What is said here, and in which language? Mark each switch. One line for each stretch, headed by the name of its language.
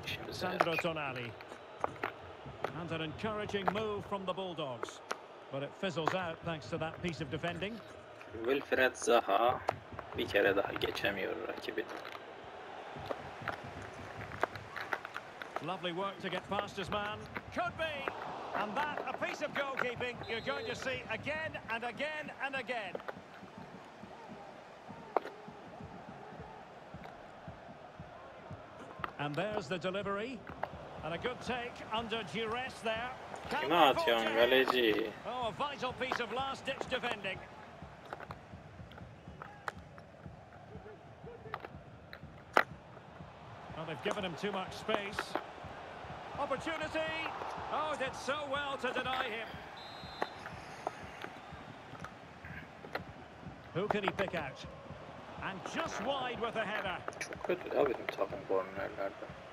English: Sandro Tonali. And an encouraging move from the Bulldogs, but it fizzles out thanks to that piece of defending.
Turkish: Wilfried Zaha bir kere daha geçemiyor rakibi.
English: Lovely work to get past his man. Could be. And that, a piece of goalkeeping you're going to see again and again and again. And there's the delivery. And a good take under duress there.
Turkish: Kim atıyor kaleci?
English: Oh, a vital piece of last ditch defending. They've given him too much space. Opportunity. Oh, did so well to deny him. Who can he pick out? And just wide with a header.
Turkish: Çok kötü ya benim takım kornerlerde.